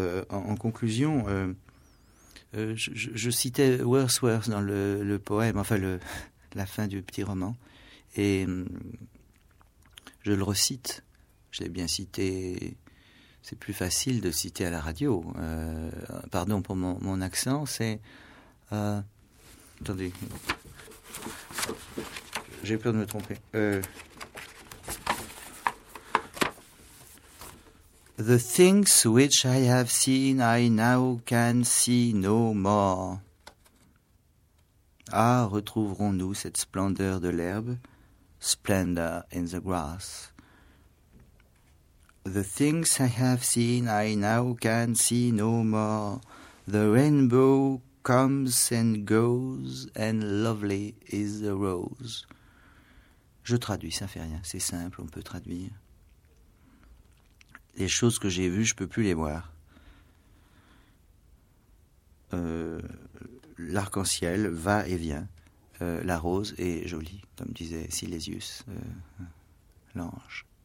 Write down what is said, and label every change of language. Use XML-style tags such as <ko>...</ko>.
<fr>En conclusion... je citais Wordsworth dans le poème, enfin la fin du petit roman, et je le recite. Je l'ai bien cité. C'est plus facile de citer à la radio. Pardon pour mon accent. C'est attendez, j'ai peur de me tromper.</fr> <en>The things which I have seen, I now can see no more.</en> <fr>Ah, retrouverons-nous cette splendeur de l'herbe?</fr> <en>Splendor in the grass. The things I have seen, I now can see no more. The rainbow comes and goes, and lovely is the rose.</en> <fr>Je traduis, ça fait rien, c'est simple, on peut traduire. Les choses que j'ai vues, je ne peux plus les voir. L'arc-en-ciel va et vient. La rose est jolie, comme disait Silésius, l'ange.</fr>